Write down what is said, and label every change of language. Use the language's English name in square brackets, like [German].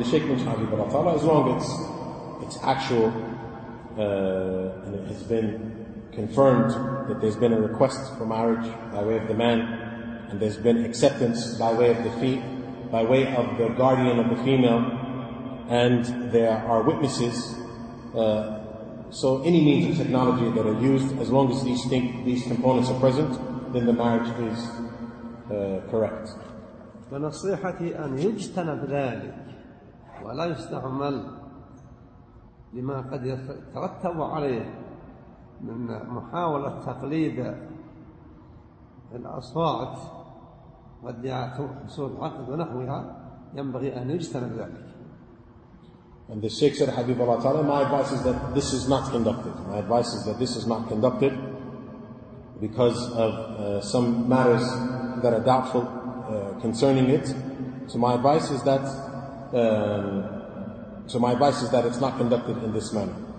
[English] The Shaykh mentioned, Habibullah Ta'ala, as long as it's actual and it has been confirmed that there's been a request for marriage by way of the man, and there's been acceptance by way of the fee, by way of the guardian of the female, and there are witnesses, so any means of technology that are used, as long as these components are present, then the marriage is correct. [Arabic] فنصيحتي أن يجتنب ذلك ولا يستعمل لما قد يترتب عليه من محاولة تقليد الأصوات وادعاء حصول عقد ونحوها، ينبغي أن يجتنب ذلك. [English] And the Sheikh said, Habibullah Ta'ala, my advice is that this is not conducted. My advice is that this is not conducted because of some matters that are doubtful concerning it. So my advice is that it's not conducted in this manner.